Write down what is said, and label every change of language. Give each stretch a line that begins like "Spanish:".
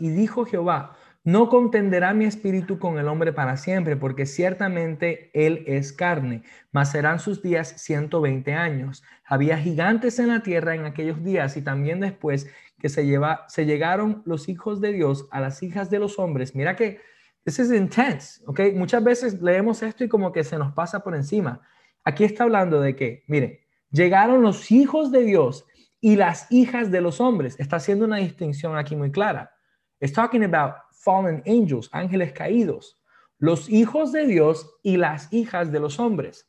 Spanish: Y dijo Jehová, no contenderá mi espíritu con el hombre para siempre, porque ciertamente él es carne, mas serán sus días 120 años. Había gigantes en la tierra en aquellos días y también después que se llegaron los hijos de Dios a las hijas de los hombres.
English: Mira que this is intense, okay?
Spanish: Muchas veces leemos esto y como que se nos pasa por encima. Aquí está hablando de que, mire, llegaron los hijos de Dios y las hijas de los hombres. Está haciendo una distinción aquí muy clara. It's talking about fallen angels, ángeles caídos, los hijos de Dios y las hijas de los hombres.